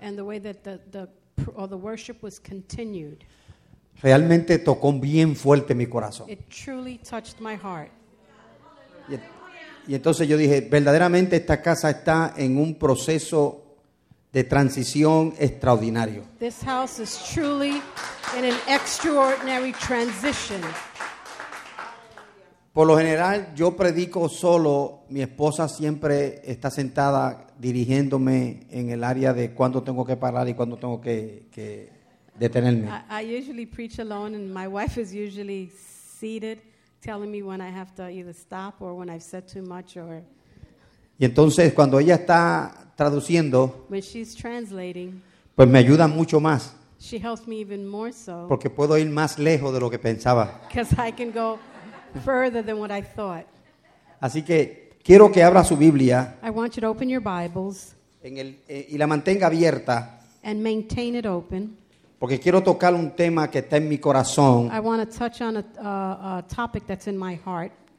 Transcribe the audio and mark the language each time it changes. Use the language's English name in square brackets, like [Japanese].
[English] and the way that the worship was continued, [Spanish] Realmente tocó bien fuerte mi corazón. [English] It truly touched my heart. [Spanish] Y entonces yo dije, verdaderamente esta casa está en un proceso de transición extraordinario. [English] This house is truly in an extraordinary transition. [Spanish] Por lo general, yo predico solo. Mi esposa siempre está sentada dirigiéndome en el área de cuándo tengo que parar y cuándo tengo que detenerme. [English] I usually preach alone, and my wife is usually seated, telling me when I have to either stop or when I've said too much. Or [Spanish] y entonces, cuando ella está traduciendo, [English] when she's translating, [Spanish] pues me ayuda mucho más. [English] She helps me even more so. [Spanish] Porque puedo ir más lejos de lo que pensaba. [English] Because I can go further than what I thought. [Spanish] Así que quiero que abra su Biblia. [English] I want you to open your Bibles. [Spanish] En el, y la mantenga abierta. [English] And maintain it open. [Spanish] Porque quiero tocar un tema que está en mi corazón. [English] I want to touch on a topic that's in my heart.